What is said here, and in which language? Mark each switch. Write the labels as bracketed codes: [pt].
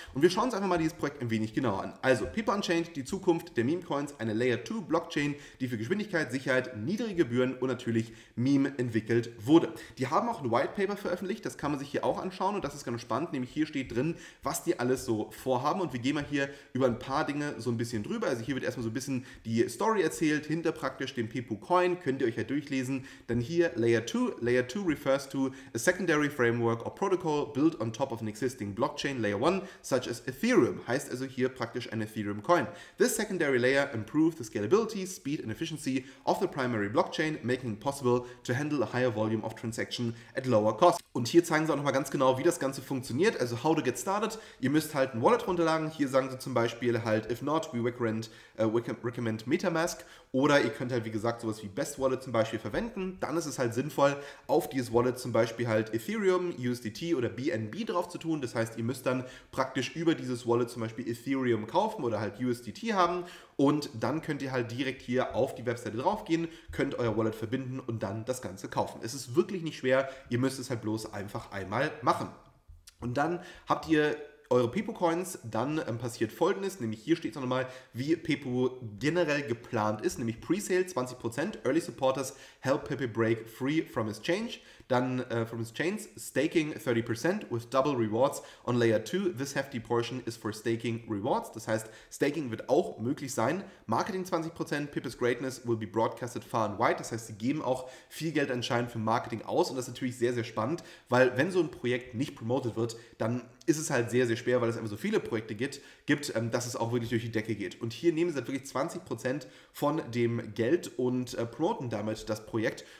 [de] Und wir schauen uns einfach mal dieses Projekt ein wenig genauer an. Also, Paper Unchained, die Zukunft der Meme-Coins, eine Layer 2 Blockchain, die für Geschwindigkeit, Sicherheit, niedrige Gebühren und natürlich Meme entwickelt wurde. Die haben auch ein White Paper veröffentlicht, das kann man sich hier auch anschauen und das ist ganz spannend, nämlich hier steht drin, was die alles so vorhaben und wir gehen mal hier über ein paar Dinge so ein bisschen drüber. Also hier wird erstmal so ein bisschen die Story erzählt, hinter praktisch dem Paper Coin, könnt ihr euch ja durchlesen. Dann hier Layer 2. [en] Layer 2 refers to a secondary framework or protocol built on top of an existing Blockchain Layer 1, such as Ethereum. [de] Heißt also hier praktisch ein Ethereum-Coin. [en] This secondary layer improves the scalability, speed and efficiency of the primary blockchain, making it possible to handle a higher volume of transaction at lower cost. [de] Und hier zeigen sie auch nochmal ganz genau, wie das Ganze funktioniert, also [en] how to get started. [de] Ihr müsst halt ein Wallet runterladen. Hier sagen sie zum Beispiel halt, [en] if not, we recommend Metamask. [de] Oder ihr könnt halt, wie gesagt, sowas wie Best Wallet zum Beispiel verwenden. Dann ist es halt sinnvoll, auf dieses Wallet zum Beispiel halt Ethereum, USDT oder BNB drauf zu tun. Das heißt, ihr müsst dann praktisch über dieses Wallet zum Beispiel Ethereum kaufen oder halt USDT haben. Und dann könnt ihr halt direkt hier auf die Webseite draufgehen, könnt euer Wallet verbinden und dann das Ganze kaufen. Es ist wirklich nicht schwer, ihr müsst es halt bloß einfach einmal machen. Und dann habt ihr eure PPU-Coins, dann passiert Folgendes, nämlich hier steht es nochmal, wie PPU generell geplant ist, nämlich Presale 20%, [en] Early Supporters help PPU break free from exchange. Dann from his chains, staking 30% with double rewards on Layer 2. This hefty portion is for staking rewards. [de] Das heißt, Staking wird auch möglich sein. [en] Marketing 20%, Pippa's Greatness will be broadcasted far and wide. [de] Das heißt, sie geben auch viel Geld anscheinend für Marketing aus. Und das ist natürlich sehr, sehr spannend, weil wenn so ein Projekt nicht promotet wird, dann ist es halt sehr, sehr schwer, weil es einfach so viele Projekte gibt, dass es auch wirklich durch die Decke geht. Und hier nehmen sie halt wirklich 20% von dem Geld und promoten damit das Projekt.